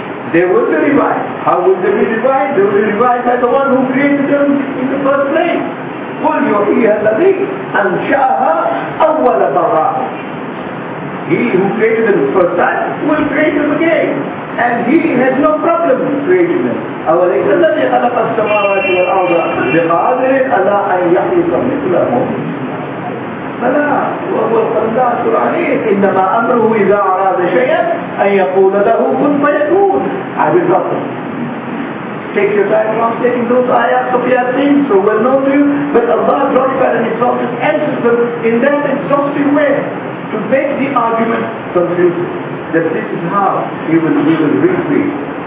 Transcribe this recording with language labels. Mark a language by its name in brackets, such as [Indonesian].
[English] They will be revived. How will they be revived? They will be revived by the one who created them in the first place. [Arabic] قُلْ يُحْيِيهَا الَّذِي أَنْشَأَهَا أَوَّلَ مَرَّةٍ. [English] He who created them the first time will create them again. And he has no problem with creating them. [Arabic] أَوَلَيْسَ الَّذِي خَلَقَ السَّمَاوَاتِ وَالْأَرْضَ بِقَادِرٍ عَلَىٰ أَنْ يَخْلُقَ مِثْلَهُمْ فلا وهو الخلاق العليم إنما أمره إذا أراد شيئا أن يقول له كن فيكون. [English] عبد الله take your time translating those ayat of Yasin, so well known to you, but Allah glorified and exalted answers them in that exhausting way to make the argument conclusive that this is how he will reason.